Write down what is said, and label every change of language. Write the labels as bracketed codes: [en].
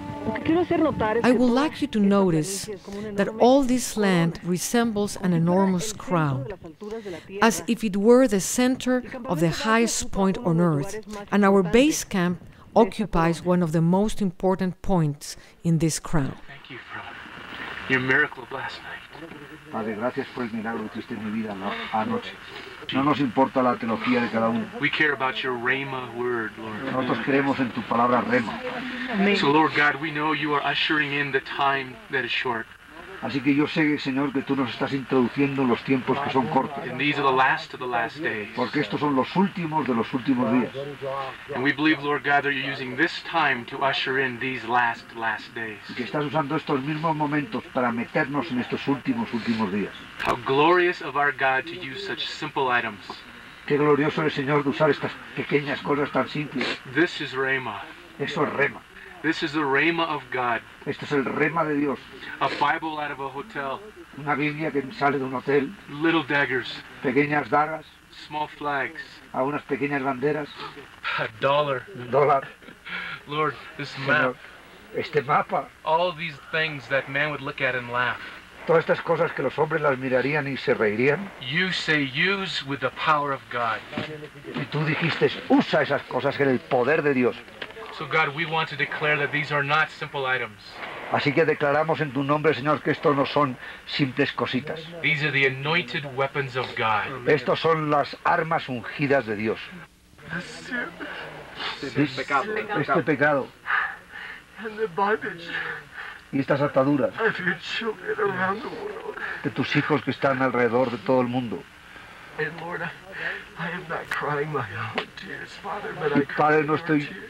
[en] I would like you to notice that all this land resembles an enormous crown, as if it were the center of the highest point on earth, and our base camp occupies one of the most important points in this crown. Thank you for your miracle of last night. [es] Padre, gracias por el milagro que hiciste en mi vida anoche. No nos importa la teología de cada uno. [en] We care about your rhema word, Lord. [es] Nosotros creemos en tu palabra rhema. [en] So, Lord God, we know you are ushering in the time that is short. [es] Así que yo sé, Señor, que tú nos estás introduciendo en los tiempos que son cortos. [en] And these are the last of the last days. [es] Porque estos son los últimos de los últimos días. [en] And we believe, Lord God, that you're using this time to usher in these last days. [es] Y que estás usando estos mismos momentos para meternos en estos últimos días. [en] How glorious of our God to use such simple items. [es] Qué glorioso es, Señor, de usar estas pequeñas cosas tan simples. [en] This is Rhema. [es] Eso es Rhema. [en] This is the Rhema of God. [es] Esto es el Rhema de Dios. [en] A Bible out of a hotel. [es] Una Biblia que sale de un hotel. [en] Little daggers. [es] Pequeñas dagas. [en] Small flags. [es] A unas pequeñas banderas. [en] A dollar. [es] Un dólar. [en] Lord, this map. [es] Este mapa. [en] All these things that man would look at and laugh. [es] Todas estas cosas que los hombres las mirarían y se reirían. [en] You say use with the power of God. [es] Y tú dijiste, usa esas cosas en el poder de Dios. [en] So God, we want to declare that these are not simple items. [es] Así que declaramos en tu nombre, Señor, que estos no son simples cositas. [en] These are the anointed weapons of God. [es] Estos son las armas ungidas de Dios. Este pecado. [en] And the bondage. [es] Y estas ataduras. [en] Of your children around the world. [es] De tus hijos que están alrededor de todo el mundo. [en] And Lord, I am not crying my own tears, Father, but I cry your tears.